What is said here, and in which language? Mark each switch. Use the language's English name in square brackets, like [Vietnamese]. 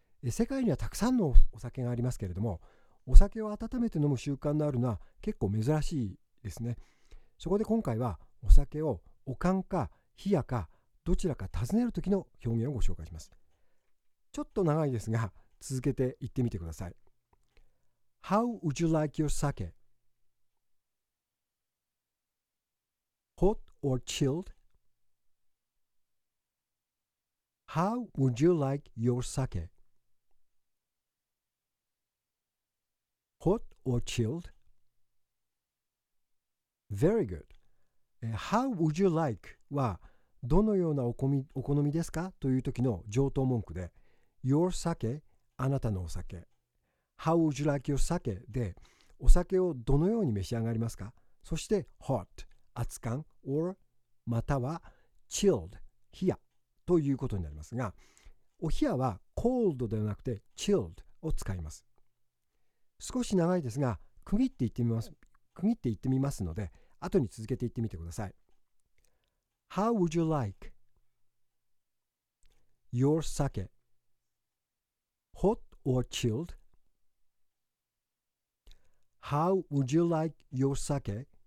[Japanese] 世界にはたくさんのお酒がありますけれども、お酒を温めて飲む習慣のあるのは結構珍しいですね。そこで今回はお酒をおかんか冷やかどちらか尋ねるときの表現をご紹介します。ちょっと長いですが続けて言ってみてください。 [English] How would you like your sake? Hot or chilled? How would you like your sake? Hot or chilled? Very good. How would you like? [Japanese] はどのようなお好みですかという時の上等文句で、 [English] Your sake? [Japanese] あなたのお酒。 [English] How would you like your sake? [Japanese] でお酒をどのように召し上がりますか。そして [English] Hot? [Japanese] 熱感 [English] or [Japanese] または Chilled? 冷やということになりますが、お冷やは Cold ではなくて Chilled を使います。少し長いですが区切って言ってみます。区切って言ってみますので後に続けて言ってみてください。 [English] How would you like your sake? Hot or chilled? How would you like your sake?